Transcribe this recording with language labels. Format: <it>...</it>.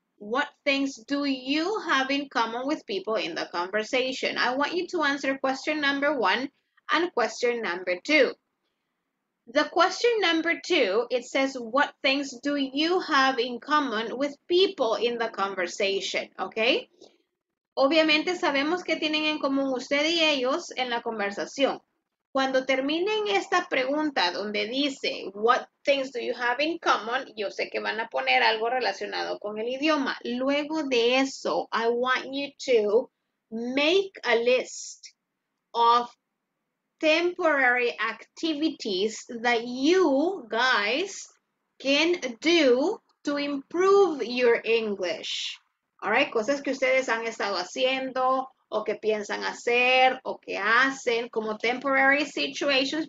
<en>What things do you have in common with people in the conversation? I want you to answer question number one and question number two. The question number two, it says, what things do you have in common with people in the conversation, okay?</en> <es>Obviamente sabemos que tienen en común usted y ellos en la conversación. Cuando terminen esta pregunta donde dice,</es> <en>what things do you have in common,</en> <es>yo sé que van a poner algo relacionado con el idioma. Luego de eso,</es> <en>I want you to make a list of temporary activities that you guys can do to improve your English. All right,</en> <es>cosas que ustedes han estado haciendo o que piensan hacer o que hacen como</es> <en>temporary situations.</en>